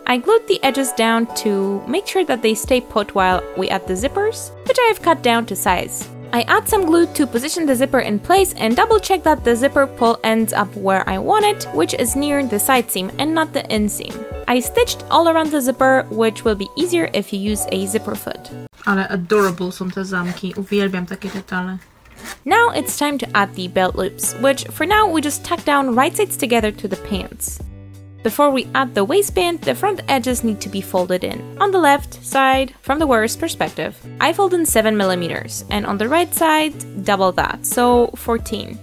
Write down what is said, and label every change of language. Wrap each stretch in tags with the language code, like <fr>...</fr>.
<en>I glued the edges down to make sure that they stay put while we add the zippers, which I have cut down to size. I add some glue to position the zipper in place and double check that the zipper pull ends up where I want it, which is near the side seam and not the inseam. I stitched all around the zipper, which will be easier if you use a zipper foot.</en> <pl>Ale adorable są te zamki, uwielbiam takie detale.</pl> <en>Now it's time to add the belt loops, which for now we just tack down right sides together to the pants. Before we add the waistband, the front edges need to be folded in. On the left side, from the wearer's perspective, I fold in 7 mm, and on the right side, double that, so 14.</en>